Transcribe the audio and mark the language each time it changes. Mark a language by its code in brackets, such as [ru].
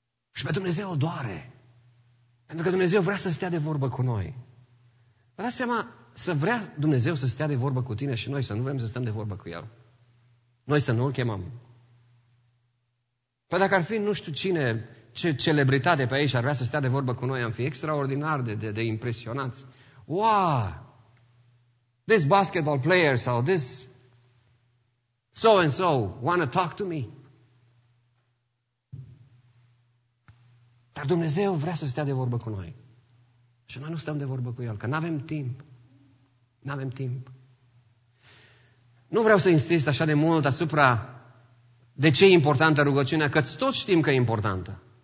[ro] Și pe Dumnezeu o doare. Pentru că Dumnezeu vrea să stea de vorbă cu noi. Vă dați seama... Să vrea Dumnezeu să stea de vorbă cu tine și noi să nu vrem să stăm de vorbă cu El. Noi să nu-L chemăm. Păi dacă ar fi nu știu cine, ce celebritate pe aici ar vrea să stea de vorbă cu noi, am fi extraordinar de impresionați. [en] Wow! This basketball player sau this so and so wanna talk to me. [ro] Dar Dumnezeu vrea să stea de vorbă cu noi. Și noi nu stăm de vorbă cu El, că n-avem timp. N-avem timp. Nu vreau să insist așa de mult asupra de ce e importantă rugăciunea, că toți știm că e importantă.